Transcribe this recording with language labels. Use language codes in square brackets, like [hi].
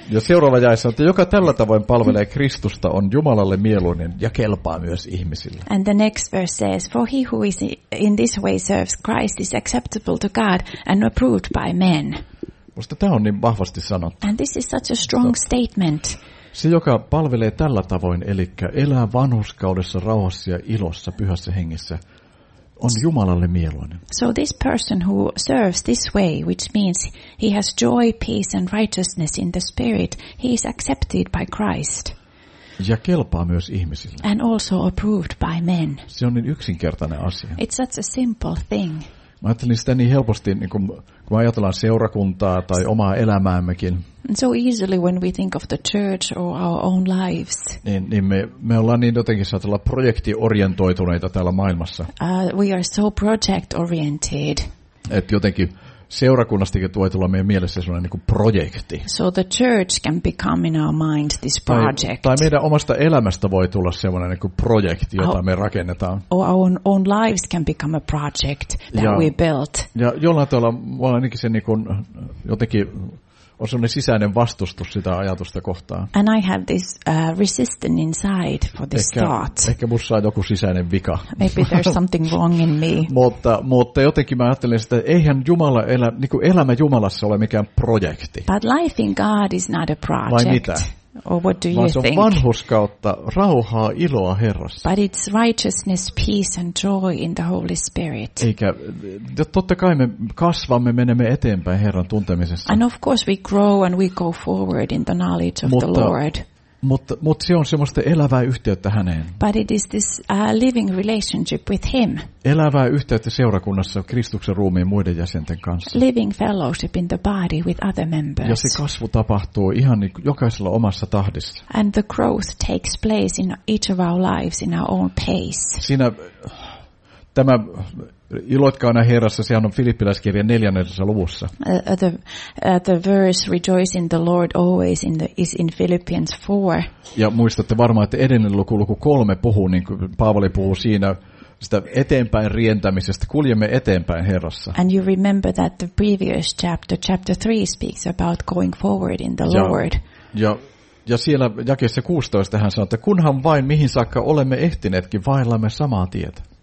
[fi] Ja seuraava jae sanoo, että joka tällä tavoin palvelee Kristusta on Jumalalle mieluinen ja kelpaa myös ihmisille. [en] And the next verse says, for he who is in this way serves Christ is acceptable to God and approved by men. [fi] Musta tämä on niin vahvasti sanottu. [en] And this is such a strong statement. [fi] Se, joka palvelee tällä tavoin, eli elää vanhurskaudessa, rauhassa ja ilossa, pyhässä hengessä, on Jumalalle mieluinen. [en] So this person who serves this way, which means he has joy, peace and righteousness in the spirit, he is accepted by Christ. [fi] Ja kelpaa myös ihmisille. [en] And also approved by men. [fi] Se on niin yksinkertainen asia. [en] It's such a simple thing. [fi] Mä ajattelin sitä niin helposti, niin kun ajatellaan seurakuntaa tai omaa elämäämmekin. [en] So easily when we think of the church or our own lives. [fi] Niin me ollaan niin jotenkin saatella projektiorientoituneita täällä maailmassa. [en] We are so project oriented. [fi] Et jotenkin seurakunnastikin voi tulla meidän mielessä sellainen niin kuin projekti. [en] So the church can become in our mind this project. [fi] Tai meidän omasta elämästä voi tulla sellainen niin kuin projekti, jota me rakennetaan. [en] Or our own lives can become a project that we built. [fi] Ja jollain tavalla voi ainakin se niin kuin, jotenkin on sellainen sisäinen vastustus sitä ajatusta kohtaan. [en] And I have this resistance inside for this thought. [fi] Ehkä minussa on joku sisäinen vika. [en] Maybe there's something wrong in me. [fi] Mutta jotenkin mä ajattelen sitä, että eihän Jumala elämä Jumalassa ole mikään projekti. [en] But life in God is not a project. [fi] Vai mitä? [en] Or what do you think? [fi] Vaan se on vanhurskautta, rauhaa, iloa Herrassa. [en] But it's righteousness, peace and joy in the Holy Spirit. [fi] Eikä, totta kai me kasvamme, menemme eteenpäin Herran tuntemisessa. [en] And of course we grow and we go forward in the knowledge of the Lord. [fi] Mutta se on semmoista elävää yhteyttä häneen. [en] But it is this living relationship with him. [fi] Elävää yhteyttä seurakunnassa Kristuksen ruumiin muiden jäsenten kanssa. [en] Living fellowship in the body with other members. [fi] Ja se kasvu tapahtuu ihan niin jokaisella omassa tahdissa. [en] And the growth takes place in each of our lives in our own pace. [fi] Siinä tämä iloitkaa aina Herrassa, sehän on Filippiläiskirjan 4. luvussa. [en] The verse rejoice in the Lord always is in Philippians 4. [fi] Ja muistatte varmaan, että edellinen luku 3 puhuu, niin kuin Paavali puhuu siinä, sitä eteenpäin rientämisestä, kuljemme eteenpäin Herrassa. [en] And you remember that the previous chapter 3 speaks about going forward in the Lord. [fi] Ja siellä jakeessa 16 hän sanoo, että kunhan vain mihin saakka olemme ehtineetkin, vaillamme samaa tietä.